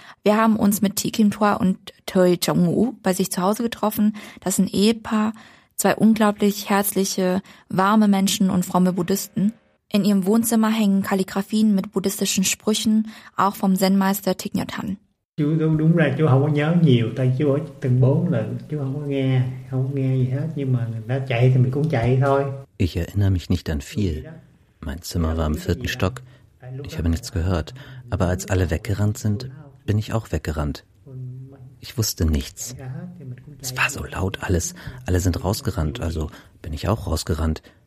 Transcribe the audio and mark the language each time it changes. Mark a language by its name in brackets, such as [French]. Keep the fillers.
[German] Wir haben uns mit Ti Kim Toa und Choi Chong-woo bei sich zu Hause getroffen. Das ist ein Ehepaar, zwei unglaublich herzliche, warme Menschen und fromme Buddhisten. In ihrem Wohnzimmer hängen Kalligraphien mit buddhistischen Sprüchen, auch vom Zen-Meister Thich Nhat Hanh. [Vietnamese] Chú đúng, đúng là chú không có nhớ nhiều, tại chú ở tầng 4 là chú không có nghe, không nghe gì hết, nhưng mà đã chạy thì mình cũng chạy thôi. [German] Ich erinnere mich nicht an viel. Mein Zimmer war im vierten Stock. Ich habe nichts gehört. Aber als alle weggerannt sind, bin ich auch weggerannt. Ich wusste nichts. Es war so laut alles. Alle sind rausgerannt, also bin ich auch rausgerannt.